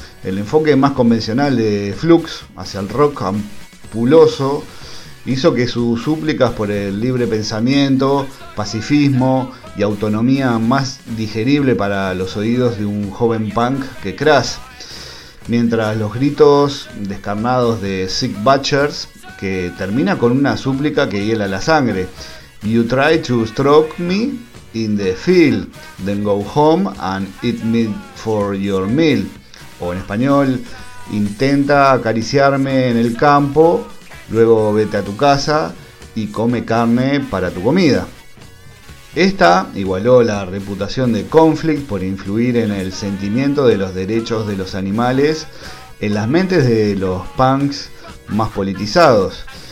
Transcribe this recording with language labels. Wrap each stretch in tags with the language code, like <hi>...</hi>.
<es>El enfoque más convencional de Flux hacia el rock ampuloso hizo que sus súplicas por el libre pensamiento, pacifismo y autonomía más digerible para los oídos de un joven punk que Crash. Mientras los gritos descarnados de Sick Butchers, que termina con una súplica que hiela la sangre.</es> <en>You try to stroke me in the field, then go home and eat me for your meal.</en> <es>O en español, intenta acariciarme en el campo, luego vete a tu casa y come carne para tu comida. Esta igualó la reputación de Conflict por influir en el sentimiento de los derechos de los animales en las mentes de los punks más politizados.</es>